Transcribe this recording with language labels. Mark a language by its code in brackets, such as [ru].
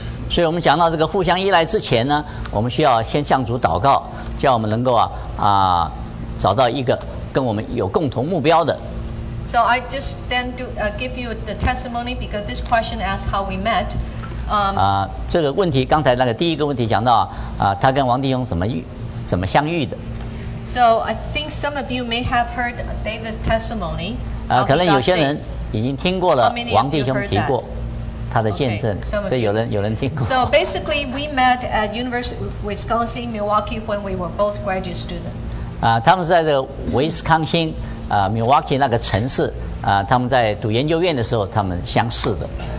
[zh] 所以我们讲到这个互相依赖之前呢，我们需要先向主祷告，叫我们能够找到一个跟我们有共同目标的。 [en] So I just then do give you the testimony because this question asks how we met. [zh] 这个问题刚才那个第一个问题讲到他跟王弟兄怎么相遇的。 [en] So I think some of you may have heard David's testimony. [zh] 可能有些人已经听过了王弟兄提过他的见证， [en] okay, [zh] 所以有人听过。 [en] So basically, we met at University of Wisconsin, Milwaukee when we were both graduate students. [zh] 他们是在这个威斯康星Milwaukee 那个城市他们在读研究院的时候他们相识的。